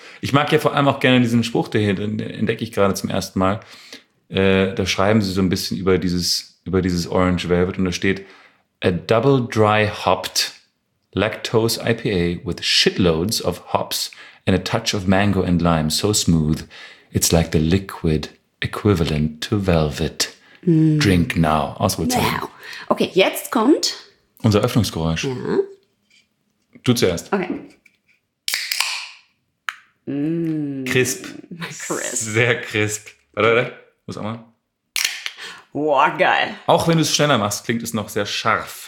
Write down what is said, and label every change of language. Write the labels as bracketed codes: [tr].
[de] Ich mag ja vor allem auch gerne diesen Spruch, der hier, den entdecke ich gerade zum ersten Mal. Da schreiben sie so ein bisschen über dieses Orange Velvet und da steht: [en] A double dry hopped lactose IPA with shitloads of hops and a touch of mango and lime. So smooth, it's like the liquid equivalent to velvet. Drink now. Ausrufezeichen. Wow. [de] Okay, jetzt kommt unser Öffnungsgeräusch. Ja. Du zuerst. Okay. Crisp. Sehr crisp. Warte. Muss auch mal. Boah, geil. Auch wenn du es schneller machst, klingt es noch sehr scharf.